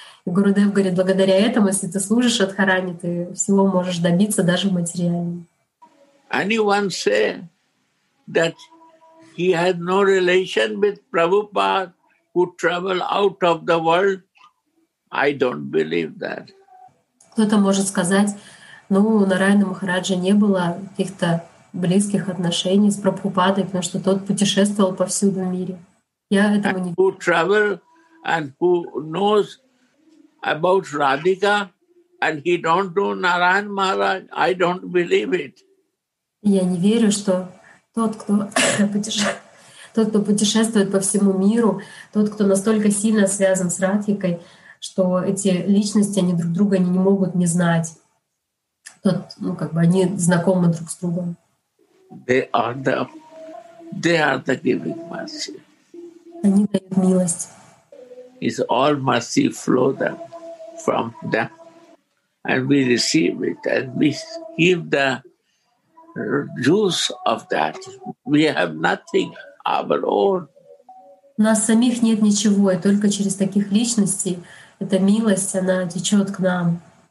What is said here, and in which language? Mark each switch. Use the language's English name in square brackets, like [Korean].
[Russian] И Гурудев говорит, благодаря этому, если ты служишь Радхарани, ты всего можешь добиться даже в материале. [English] Anyone say that he had no relation with Prabhupada who traveled out of the world? I don't believe that. [Russian] Кто-то может сказать, ну, у Нараяна Махараджа не было каких-то близких отношений с Прабхупадой, потому что тот путешествовал повсюду в мире. Я этого [English] and [Russian] не [English] who travel and who knows about Radhika and he don't know Narayan Maharaj, I don't believe it. [Russian] Я не верю, что тот, кто путешествует по всему миру, тот, кто настолько сильно связан с Радхикой, что эти личности, они друг друга не могут не знать. Тот, ну, как бы они знакомы друг с другом. [English] They are the giving mercy. [Russian] Они дают милость. [English] It's all mercy flow them from them. And we receive it and we give the juice of that. We have nothing of our own. [Russian] У нас самих нет ничего, и только через таких личностей эта милость, она течет к нам.